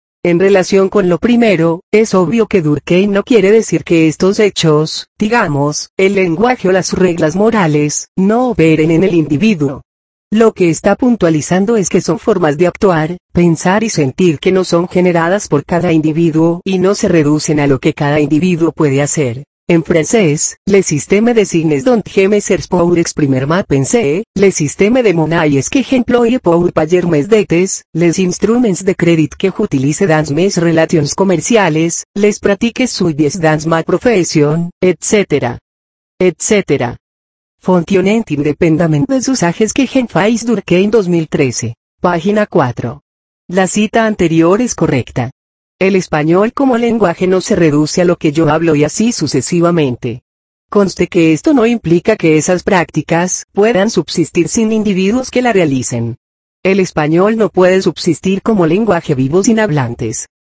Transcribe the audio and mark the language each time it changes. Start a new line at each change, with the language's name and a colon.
Spanish: En relación con lo primero, es obvio que Durkheim no quiere decir que estos hechos, digamos, el lenguaje o las reglas morales, no operen en el individuo. Lo que está puntualizando es que son formas de actuar, pensar y sentir que no son generadas por cada individuo y no se reducen a lo que cada individuo puede hacer. En francés,
French: le système de signes dont gemesers pour exprimer ma pensée, le système de monnaies que j'emploie pour payer mes dettes, les instruments de crédit que j'utilise dans mes relations commerciales, les pratiques suyes dans ma profession, etc. etc. Fonctionnent indépendamment des usages que j'en fais.
Spanish: Durkheim 2013. Página 4. La cita anterior es correcta. El español como lenguaje no se reduce a lo que yo hablo y así sucesivamente. Conste que esto no implica que esas prácticas puedan subsistir sin individuos que la realicen. El español no puede subsistir como lenguaje vivo sin hablantes.